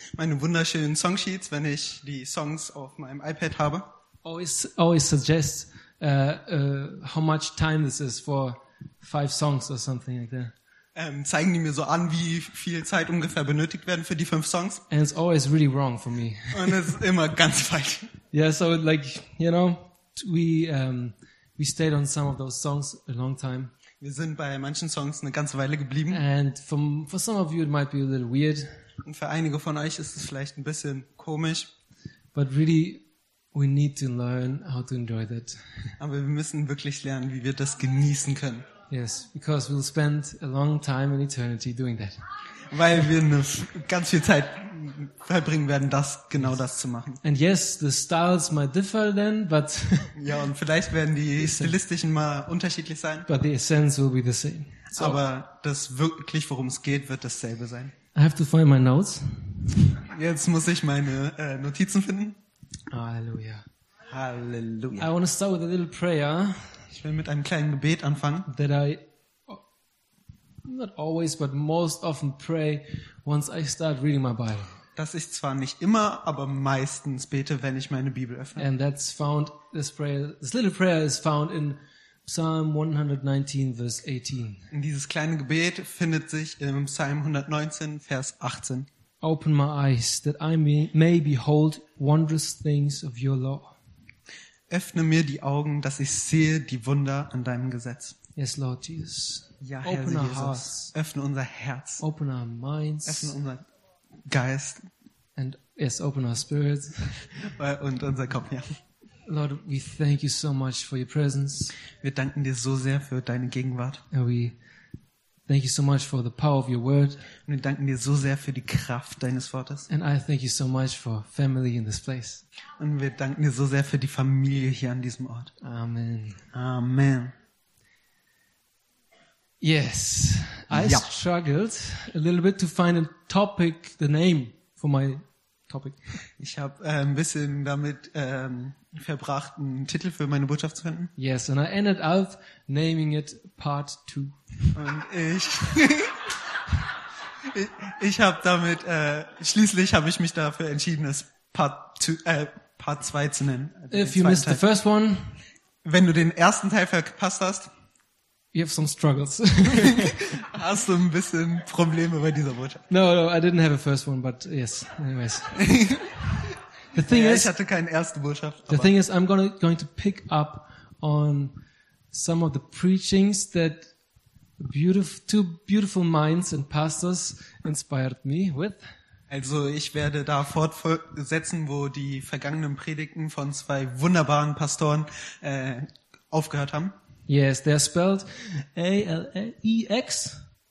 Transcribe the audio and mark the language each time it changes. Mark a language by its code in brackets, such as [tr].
[de] Meine wunderschönen Song Sheets, wenn ich die Songs auf meinem iPad habe. [en] Always suggest how much time this is for 5 songs or something like that. [de] Zeigen die mir so an, wie viel Zeit ungefähr benötigt werden für die 5 Songs. [en] And it's always really wrong for me. [de] Und es ist immer ganz falsch. [en] Yeah, so like, you know, we stayed on some of those songs a long time. [de] Wir sind bei manchen Songs eine ganze Weile geblieben. [en] And for some of you it might be a little weird. [de] Und für einige von euch ist es vielleicht ein bisschen komisch. [en] But really, we need to learn how to enjoy that. [de] Aber wir müssen wirklich lernen, wie wir das genießen können. [en] Yes, because we'll spend a long time in eternity doing that. [de] Weil wir ganz viel Zeit verbringen werden, das zu machen. [en] And yes, the styles might differ then, but [de] ja, und vielleicht werden die stilistischen mal unterschiedlich sein. [en] But the essence will be the same. [de] So, aber das wirklich, worum es geht, wird dasselbe sein. [en] I have to find my notes. [de] Jetzt muss ich meine Notizen finden. Halleluja. Halleluja. [en] I want to start with a little prayer. [de] Ich will mit einem kleinen Gebet anfangen. [en] That I not always, but most often pray once I start reading my Bible. [de] Das ist zwar nicht immer, aber meistens bete, wenn ich meine Bibel öffne. [en] And that's found, this little prayer is found in Psalm 119, verse 18. [de] Und dieses kleine Gebet findet sich im Psalm 119, Vers 18. [en] Open my eyes, that I may behold wondrous things of your law. [de] Öffne mir die Augen, dass ich sehe die Wunder an deinem Gesetz. [en] Yes, Lord Jesus. [de] Ja, Herr [en] Open [de] Jesus. [en] Our hearts. [de] Öffne unser Herz. [en] Open our minds. [de] Öffne unser Geist. [en] And yes, open our spirits. [de] Und unser Kopf, ja. [en] Lord, we thank you so much for your presence. [de] Wir danken dir so sehr für deine Gegenwart. [en] And we thank you so much for the power of your word. [de] Und wir danken dir so sehr für die Kraft deines Wortes. [en] And I thank you so much for family in this place. [de] Und wir danken dir so sehr für die Familie hier an diesem Ort. Amen. Amen. [en] Yes, I ja. Struggled a little bit to find a topic, the name for my topic. [de] Ich habe ein bisschen damit verbracht, einen Titel für meine Botschaft zu finden. [en] Yes, and I ended up naming it Part 2. [de] Und ich habe mich dafür entschieden, es Part 2 zu nennen. [en] If you missed the first one. [de] Wenn du den ersten Teil verpasst hast. [en] You have some struggles. [de] Hast du ein bisschen Probleme bei dieser Botschaft? [en] No, I didn't have a first one, but yes, anyways. The thing is, [de] ich hatte keine erste Botschaft. [en] The thing is, I'm going to pick up on some of the preachings that two beautiful minds and pastors inspired me with. [de] Also ich werde da fortsetzen, wo die vergangenen Predigten von zwei wunderbaren Pastoren aufgehört haben. [en] Yes, they're spelled A-L-E-X.